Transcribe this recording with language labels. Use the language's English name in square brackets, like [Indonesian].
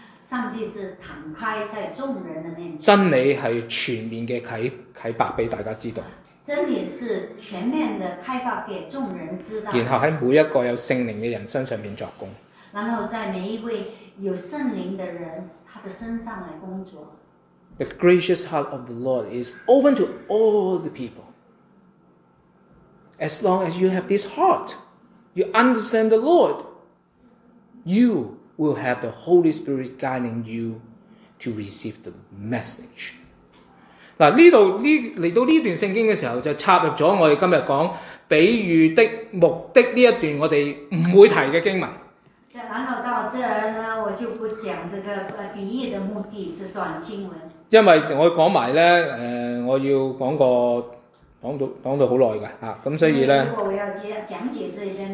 [Chinese] 上帝是躺开在众人的面前，真理是全面的启白给大家知道，真理是全面的开放给众人知道，然后在每一个有圣灵的人身上面作工，然后在每一位有圣灵的人他的身上来工作。 [English] The gracious heart of the Lord is open to all the people. As long as you have this heart, you understand the Lord, you will have the Holy Spirit guiding you to receive the message. [Chinese] 来到这段圣经的时候，就插入了我们今天讲比喻的目的这一段我们不会提的经文。然后到这儿呢，我就不讲这个比喻的目的这段经文，因为我讲完呢，我要讲过讲到很久的，所以呢，如果我要讲解这一段